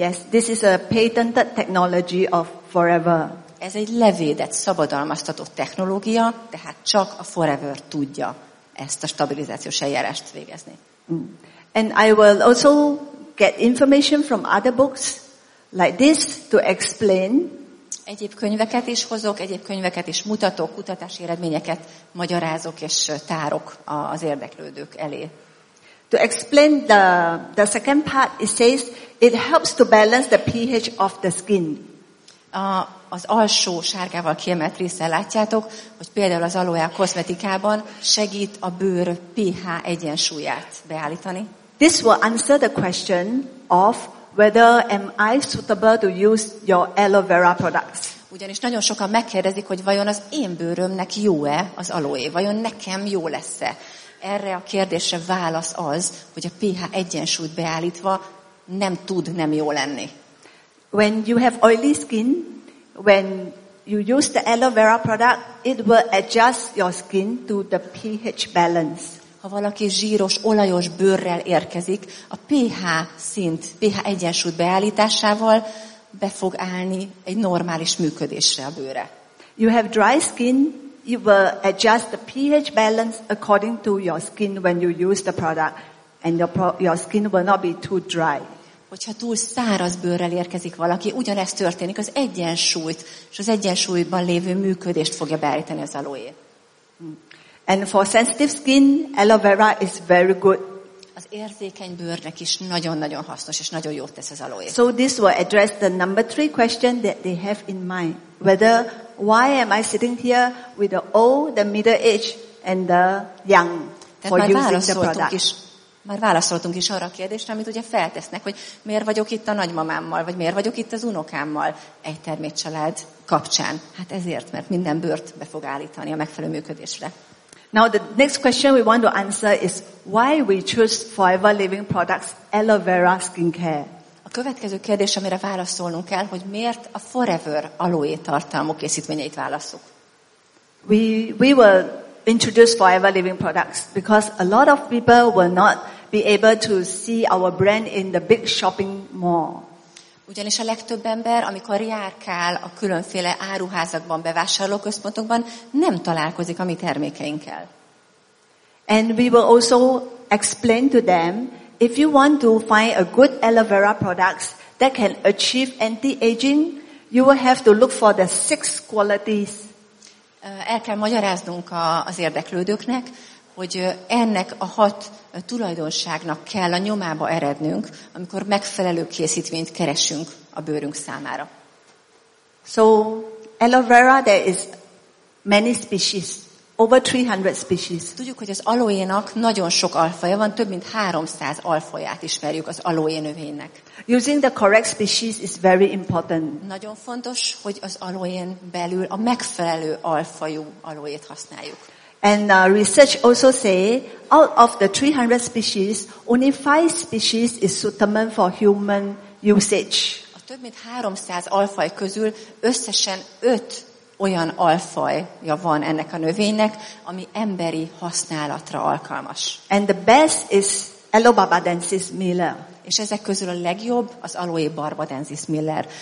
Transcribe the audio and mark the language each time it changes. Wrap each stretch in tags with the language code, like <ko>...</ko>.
<en>This is a patented technology of Forever.</en> <hu>Ez egy levédett, szabadalmaztató technológia, tehát csak a Forever tudja ezt a stabilizációs eljárást végezni.</hu> <en>And I will also get information from other books like this to explain.</en> <hu>Egyéb könyveket is hozok, egyéb könyveket is mutatok, kutatási eredményeket magyarázok és tárok az érdeklődők elé.</hu> <en>To explain the second part, it says it helps to balance the pH of the skin.</en> <hu>Az alsó sárgával kiemelt részen látjátok, hogy például az aloe a kozmetikában segít a bőr pH egyensúlyát beállítani.</hu> <en>This will answer the question of whether am I suitable to use your aloe vera products.</en> <hu>Ugyanis nagyon sokan megkérdezik, hogy vajon az én bőrömnek jó-e az aloe, vajon nekem jó lesz-e. Erre a kérdésre válasz az, hogy a pH egyensúlyt beállítva nem tud nem jó lenni.</hu> <en>When you have oily skin, when you use the aloe vera product, it will adjust your skin to the pH balance.</en> <hu>Ha valaki zsíros, olajos bőrrel érkezik, a pH szint, pH egyensúlyt beállításával be fog állni egy normális működésre a bőre.</hu> <en>You have dry skin, you will adjust the pH balance according to your skin when you use the product, and your skin will not be too dry.</en> <hu>Hogyha túl száraz bőrrel érkezik valaki, ugyanez történik, az egyensúlyt és az egyensúlyban lévő működést fogja beállítani az aloe.</hu> <en>And for sensitive skin, aloe vera is very good.</en> <hu>Az érzékeny bőrnek is nagyon-nagyon hasznos és nagyon jót tesz az aloe.</hu> <en>So this will address the number three question that they have in mind. Whether, why am I sitting here with the old, the middle-aged and the young for using the product?</en> <hu>Már válaszoltunk is arra a kérdésre, amit ugye feltesznek, hogy miért vagyok itt a nagymamámmal, vagy miért vagyok itt az unokámmal egy termétcsalád kapcsán. Hát ezért, mert minden bőrt be fog állítani a megfelelő működésre.</hu> <en>Now the next question we want to answer is why we choose Forever Living Products Aloe Vera Skincare.</en> <hu>A következő kérdés, amire válaszolnunk kell, hogy miért a Forever Aloe tartalmú készítményeit válasszuk.</hu> <en>We will introduce Forever Living Products because a lot of people will not be able to see our brand in the big shopping mall.</en> <hu>Ugyanis a legtöbb ember, amikor járkál a különféle áruházakban, bevásárlóközpontokban, nem találkozik a mi termékeinkkel.</hu> <en>And we will also explain to them, if you want to find a good aloe vera products that can achieve anti-aging, you will have to look for the six qualities.</en> <hu>El kell magyaráznunk az érdeklődőknek, hogy ennek a hat tulajdonságnak kell a nyomába erednünk, amikor megfelelő készítményt keresünk a bőrünk számára.</hu> <en>So, aloe vera, there is many species, over 300 species.</en> <hu>Tudjuk, hogy az aloénak nagyon sok alfaja van, több mint 300 alfaját ismerjük az aloé növénynek.</hu> <en>Using the correct species is very important.</en> <hu>Nagyon fontos, hogy az aloén belül a megfelelő alfajú aloét használjuk.</hu> <en>And research also say, out of the 300 species, only 5 species is suitable for human usage.</en> <hu>A több mint 300 alfaj közül összesen 5 olyan alfajja van ennek a növénynek, ami emberi használatra alkalmas.</hu> <en>And the best is Aloe Barbadensis Miller.</en> <hu>És ezek közül a legjobb az Aloe Barbadensis Miller.</hu>